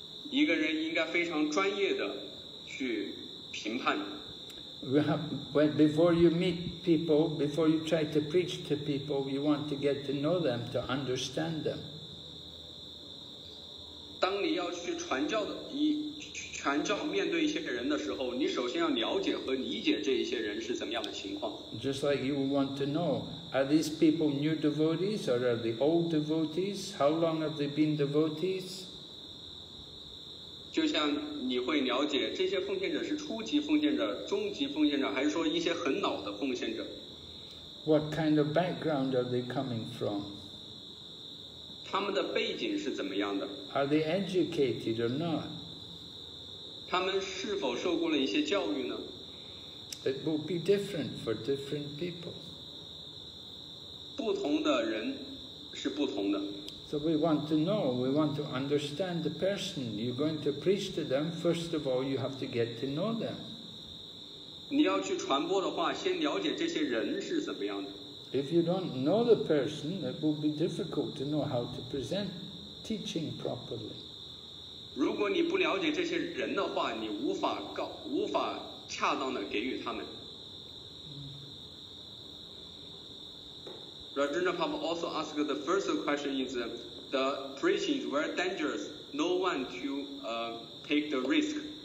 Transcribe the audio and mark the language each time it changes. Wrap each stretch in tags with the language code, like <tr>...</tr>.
<zh>一个人应该非常专业的去评判。</zh> <en>But before you meet people, before you try to preach to people, you want to get to know them, to understand them.</en> <zh>当你要去传教的，传教面对一些人的时候，你首先要了解和理解这一些人是怎么样的情况。</zh> <en>Just like you want to know, are these people new devotees or are they old devotees? How long have they been devotees?</en> <zh>就像你会了解这些奉献者是初级奉献者、中级奉献者，还是说一些很老的奉献者</zh> <en>？What kind of background are they coming from?</en> <zh>他们的背景是怎么样的</zh> <en>？Are they educated or not?</en> <zh>他们是否受过了一些教育呢</zh> <en>？It will be different for different people.</en> <zh>不同的人是不同的。</zh> <en>So we want to know, we want to understand the person you're going to preach to them. First of all, you have to get to know them.</en> <zh>你要去传播的话，先了解这些人是怎么样的。</zh> <en>If you don't know the person, it will be difficult to know how to present teaching properly.</en> <zh>如果你不了解这些人的话，你无法恰当的给予他们。</zh> <en>Rajendra Prabhu also asked the first question is the preaching is very dangerous. No one to take the risk.</en>